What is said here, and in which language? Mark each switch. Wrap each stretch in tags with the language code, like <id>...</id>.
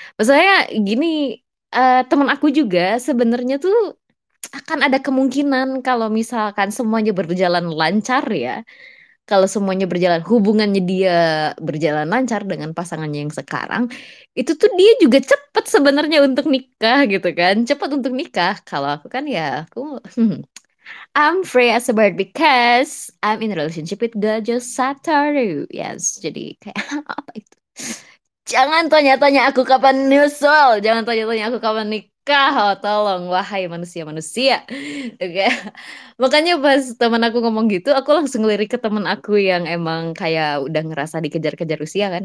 <id>Maksudnya gini, teman aku juga sebenarnya tuh akan ada kemungkinan kalau misalkan semuanya berjalan lancar ya. Kalau semuanya berjalan, hubungannya dia berjalan lancar dengan pasangannya yang sekarang, itu tuh dia juga cepet sebenarnya untuk nikah gitu kan. Cepet untuk nikah. Kalau aku kan ya aku</id> <en>I'm free as a bird because I'm in a relationship with God, just Satoru.</en> <id>Yes, jadi kayak apa itu? Jangan tanya-tanya aku kapan nyusul. Jangan tanya-tanya aku kapan nikah. Oh, tolong, wahai manusia-manusia. Oke. Okay. Makanya pas teman aku ngomong gitu, aku langsung lirik ke teman aku yang emang kayak udah ngerasa dikejar-kejar usia kan.</id>